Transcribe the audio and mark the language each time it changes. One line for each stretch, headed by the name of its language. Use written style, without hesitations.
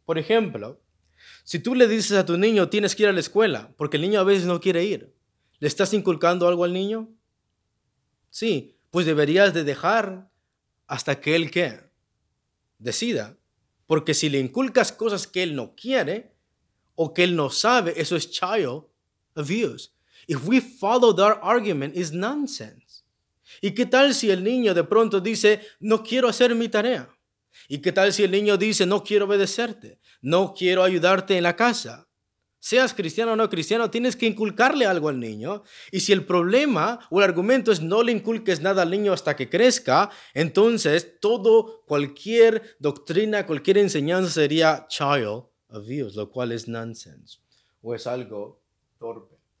Spanish: Por ejemplo, si tú le dices a tu niño tienes que ir a la escuela porque el niño a veces no quiere ir, ¿le estás inculcando algo al niño? Sí, pues deberías de dejar hasta que él ¿qué? Decida. Porque si le inculcas cosas que él no quiere o que él no sabe, eso es child abuse.
English: If we follow that argument, it's nonsense.
Spanish: ¿Y qué tal si el niño de pronto dice, no quiero hacer mi tarea? ¿Y qué tal si el niño dice, no quiero obedecerte? No quiero ayudarte en la casa. Seas cristiano o no cristiano, tienes que inculcarle algo al niño. Y si el problema o el argumento es no le inculques nada al niño hasta que crezca, entonces todo, cualquier doctrina, cualquier enseñanza sería child abuse, lo cual es nonsense o es algo torpe.